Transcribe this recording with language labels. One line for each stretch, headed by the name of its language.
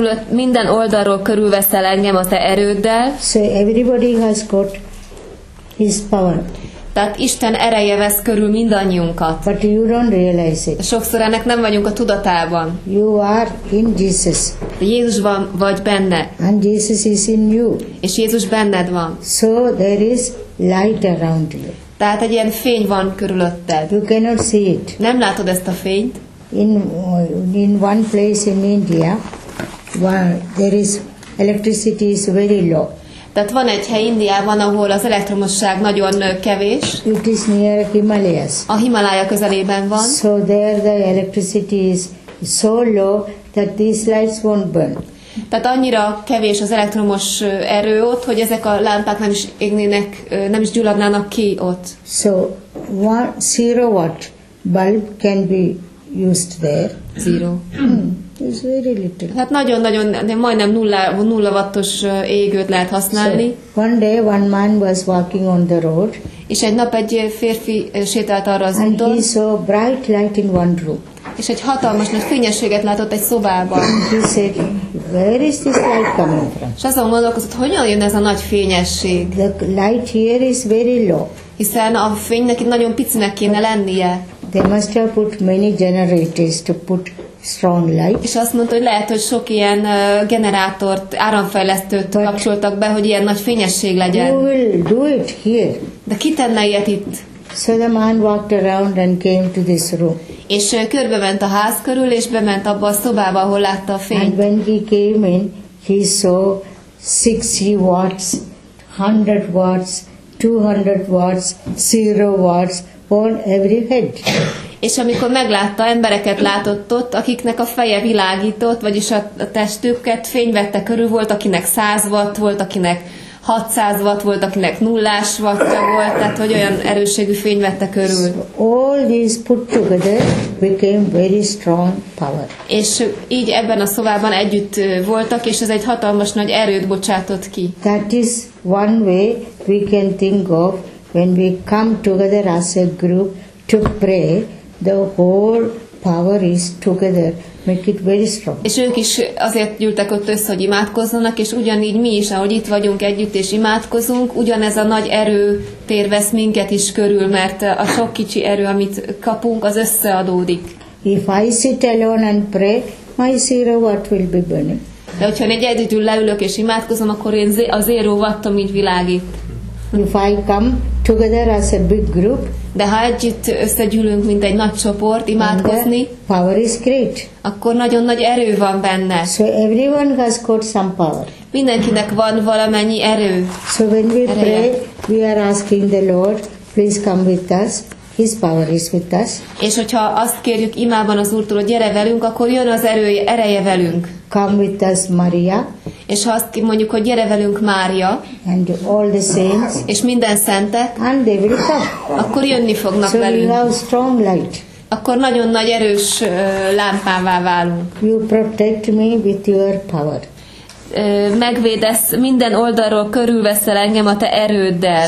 Hungarian: Minden oldalról körülveszel engem a te erőddel.
English: So everybody has got his power.
Hungarian: Tehát Isten ereje vesz körül mindannyiunkat.
English: But you don't realize it.
Hungarian: Sokszor ennek nem vagyunk a tudatában.
English: You are in Jesus.
Hungarian: Jézus van vagy benne.
English: And Jesus is in you.
Hungarian: És Jézus benned van.
English: So there is light around you.
Hungarian: Tehát egy ilyen fény van körülötted.
English: You cannot see it.
Hungarian: Nem látod ezt a fényt.
English: In one place in India, there is electricity is very low.
Hungarian: Tehát van egy hely Indiában, ahol az elektromosság nagyon kevés.
English: It is near Himalayas.
Hungarian: A Himalája közelében van.
English: So there the electricity is so low that these lights won't burn.
Hungarian: Tehát annyira kevés az elektromos erő ott, hogy ezek a lámpák nem is égnének, nem is gyulladnának ki ott.
English: So 0 watt bulb can be used there. Zero. It's very little.
Hungarian: Hát nagyon-nagyon, majdnem nulla wattos égőt lehet használni.
English: So, one day one man was walking on the road.
Hungarian: És egy nap egy férfi sétált arra az úton.
English: And he saw bright light in one room.
Hungarian: és egy hatalmas nagy fényességet látott egy szobában.
English: Where is this light coming from?
Hungarian: És azon gondolkozott, honnan jön ez a nagy fényesség?
English: The light here is very low.
Hungarian: Hiszen a fénynek itt nagyon picinek kéne lennie.
English: They must have put many generators to put strong light.
Hungarian: És azt mondta, hogy lehet, hogy sok ilyen generátort, áramfejlesztőt
English: But
Hungarian: kapcsoltak be, hogy ilyen nagy fényesség legyen.
English: Who will do it here?
Hungarian: De ki tenne ilyet itt?
English: So the man walked around and came to this room.
Hungarian: És körbement a ház körül, és bement abba a szobába, ahol látta a fényt.
English: And when he came in, he saw 60 watts, 100 watts, 200 watts, 0 watts on every head.
Hungarian: És amikor meglátta, embereket látott ott, akiknek a feje világított, vagyis a testüket fény vette körül, volt akinek 100 watt volt, akinek 600 watt volt, akinek nullás wattja volt, tehát hogy olyan erősségű fény vette körül.
English: So all these put together became very strong power.
Hungarian: És így ebben a szobában együtt voltak, és ez egy hatalmas nagy erőt bocsátott ki.
English: That is one way we can think of when we come together as a group to pray, the whole power is together. Make it very strong.
Hungarian: És ők is azért gyűltek ott össze, hogy imádkozzanak, és ugyanígy mi is, ahogy itt vagyunk együtt és imádkozunk, ugyanez a nagy erő térvesz minket is körül, mert a sok kicsi erő, amit kapunk, az összeadódik.
English: If I sit alone and pray, my 0 watt will be burning.
Hungarian: De hogyha én egyedül leülök és imádkozom, akkor én a 0 wattom így világít.
English: If I come together as a big group,
Hungarian: de ha együtt összegyűlünk, mint egy nagy csoport imádkozni,
English: power is great.
Hungarian: Akkor nagyon nagy erő van benne.
English: So everyone has got some power.
Hungarian: Mindenkinek van valamennyi erő.
English: So when we pray, we are asking the Lord, please come with us. His power is with us.
Hungarian: És hogyha azt kérjük imában az Úrtól, hogy gyere velünk, akkor jön az erő, ereje velünk.
English: Come with us, Maria.
Hungarian: És ha azt mondjuk, hogy gyere velünk, Mária.
English: And all the saints.
Hungarian: És minden szentek.
English: And they will come.
Hungarian: Akkor jönni fognak
English: so
Hungarian: velünk.
English: So you have strong light.
Hungarian: Akkor nagyon nagy erős lámpává válunk.
English: You protect me with your power.
Hungarian: Megvédesz, minden oldalról körülveszel engem a te erőddel.